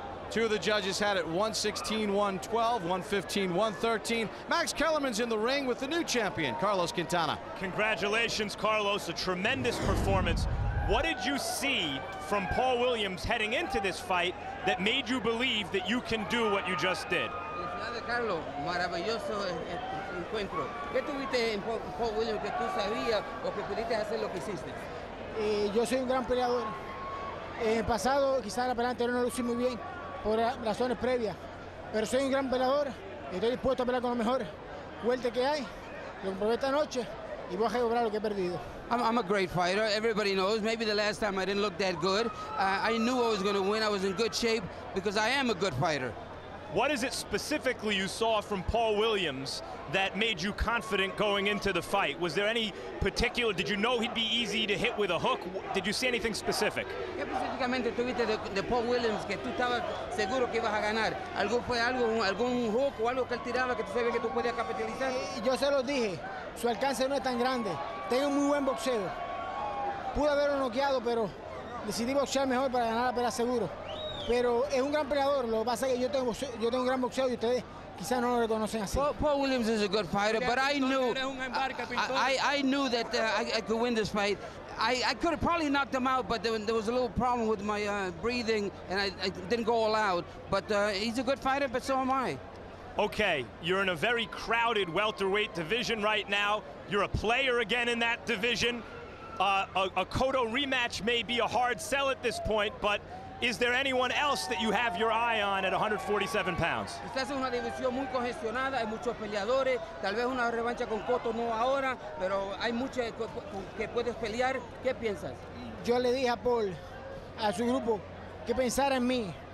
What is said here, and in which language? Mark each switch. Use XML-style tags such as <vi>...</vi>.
<en>Two of the judges had it 116-112, 115-113. Max Kellerman's in the ring with the new champion, Carlos Quintana. Congratulations, Carlos, a tremendous performance. What did you see from Paul Williams heading into this fight that made you believe that you can do what you just did?</en> <es>Carlos, maravilloso encuentro. ¿Qué tuviste en Paul Williams que tú sabías o que pudiste hacer lo que hiciste? Yo soy un gran peleador. En el pasado, quizás la pelea anterior no lo hice muy bien por razones previas, pero soy un gran peleador. Estoy dispuesto a pelear con lo mejor fuerte que hay. Lo comprobé esta noche y voy a recuperar lo que he perdido.</es> <en>I'm a great fighter, everybody knows. Maybe the last time I didn't look that good. I knew I was gonna win, I was in good shape because I am a good fighter. What is it specifically you saw from Paul Williams that made you confident going into the fight? Was there any particular, did you know he'd be easy to hit with a hook? Did you see anything specific?</en> <es>¿Qué específicamente tuviste de Paul Williams que tú estabas seguro que ibas a ganar? ¿Algo fue algo, algún hook o algo que él tiraba que tú sabías que tú podías capitalizar? Yo se lo dije, su alcance no es tan grande. Tengo un muy buen boxeo. Pude haberlo noqueado, pero decidí boxear mejor para ganar la pelea seguro. Pero es un gran peleador. Lo que pasa es que yo tengo un gran boxeo y ustedes quizás no lo reconocen así.</es> <en>Paul Williams is a good fighter, but I knew that I could win this fight. I could have probably knocked him out, but there was a little problem with my breathing and I didn't go all out. But he's a good fighter, but so am I. Okay, you're in a very crowded welterweight division right now. You're a player again in that division. A Cotto rematch may be a hard sell at this point, but is there anyone else that you have your eye on at 147 pounds?</en> <es>Esta es una división muy congestionada, hay muchos peleadores. Tal vez una revancha con Cotto no ahora, pero hay muchos que puedes pelear. ¿Qué piensas? Yo le dije a Paul, a su grupo, que pensara en mí.</es>